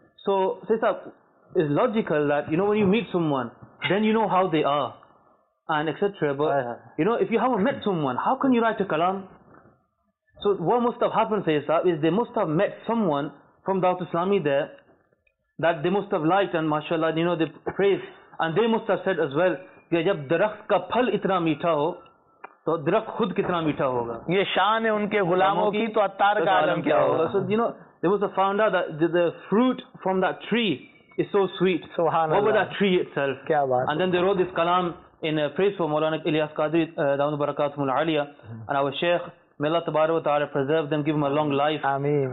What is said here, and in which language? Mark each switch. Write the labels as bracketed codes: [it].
[en] So, say sahab, it's logical that, you know, when you meet someone, then you know how they are, and etc. But, you know, if you haven't met someone, how can you write a kalam? So, what must have happened, say sahab, is they must have met someone from Dawat Islami there, that they must have liked, and mashallah, you know, they praised. And they must have said as well, [ur] کہ جب درخت کا پھل اتنا میٹھا ہو تو درخت خود کتنا میٹھا ہوگا. یہ شان ہے ان کے غلاموں کی, تو عطار کا عالم کیا ہوگا. [en] So you know, they must have found out that the fruit from that tree is so sweet. [ur] سبحان اللہ. [en] Over that tree itself. [ur] کیا بات. [en] And then they wrote this kalam in praise for Maulana Ilyas Qadri داؤد برکاتہم العالیہ and our شیخ. May Allah tabarak wa ta'ala preserve them, give them a long life. Ameen.